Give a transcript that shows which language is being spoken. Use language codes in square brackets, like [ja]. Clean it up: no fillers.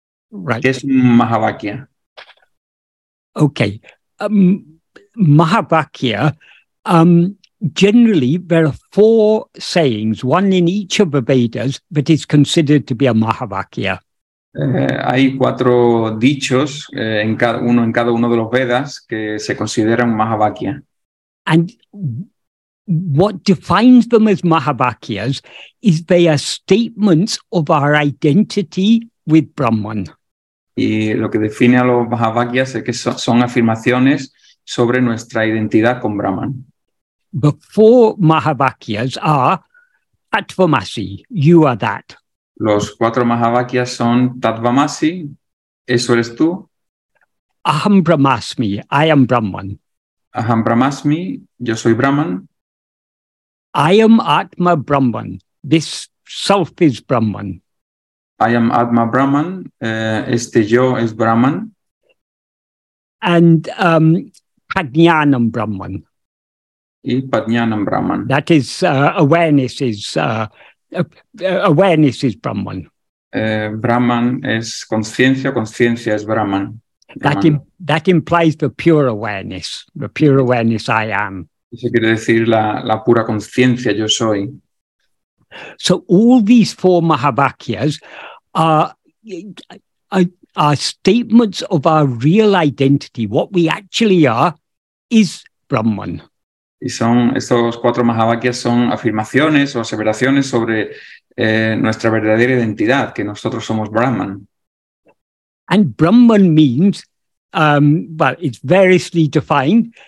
[en] Right. [es] ¿Qué es un Mahavakya? [en] Okay. Mahavakya, generally, there are four sayings, one in each of the Vedas, that is considered to be a Mahavakya. [es] Hay cuatro dichos en cada uno de los Vedas que se consideran Mahavakya. [en] And what defines them as Mahavakyas is they are statements of our identity with Brahman. [es] Y lo que define a los Mahavakyas es que son afirmaciones sobre nuestra identidad con Brahman. [en] The four Mahavakyas are Tattvamasi, you are that. [es] Los cuatro Mahavakyas son Tattvamasi, eso eres tú. [en] Aham Brahmasmi, I am Brahman. [es] Aham Brahmasmi, yo soy Brahman. [en] I am Atma Brahman, this self is Brahman. [es] I am Atma Brahman, este yo es Brahman. [en] And Pajñānam Brahman. [es] Y Pajñānam Brahman. [en] That is, awareness is Brahman. [es] Brahman es conciencia, conciencia es Brahman. [en] That implies the pure awareness I am. [es] Eso quiere decir la pura conciencia, yo soy. [en] So all these four Mahavakyas are statements of our real identity. What we actually are is Brahman. [es] Y son estos cuatro Mahavakyas son afirmaciones o aseveraciones sobre nuestra verdadera identidad, que nosotros somos Brahman. [en] And Brahman means, it's variously defined.